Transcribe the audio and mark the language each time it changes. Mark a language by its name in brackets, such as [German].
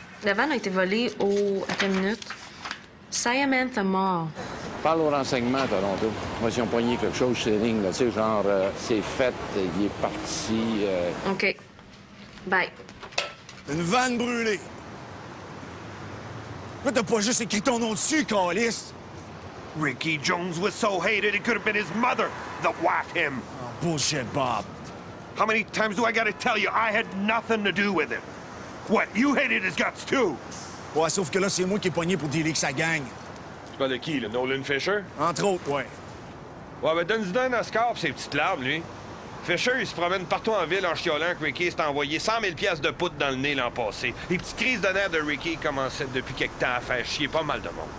[French] La vanne a été volée au. Attends une minute. Samantha Moore. Parle au renseignement à Toronto. Moi, si on poignait quelque chose, c'est ligne, tu sais, genre, c'est fait, il est parti. OK. Bye. Une vanne brûlée. Mais t'as pas juste écrit ton nom dessus, Carlis. [English] Ricky Jones was so hated, it could have been his mother that whacked him. Bullshit, Bob. How many times do I gotta tell you I had nothing to do with it? What, you hated his guts too? [French] Ouais, sauf que là, c'est moi qui ai pogné pour dealer que sa gang. Tu parles de qui, le Nolan Fisher? Entre autres, ouais. Ouais, ben donne-lui un Oscar pour ses petites larmes, lui. Fisher, il se promène partout en ville en chiolant que Ricky s'est envoyé 100 000 piastres de poudre dans le nez l'an passé. Les petites crises de nerfs de Ricky commençaient depuis quelque temps à faire chier pas mal de monde.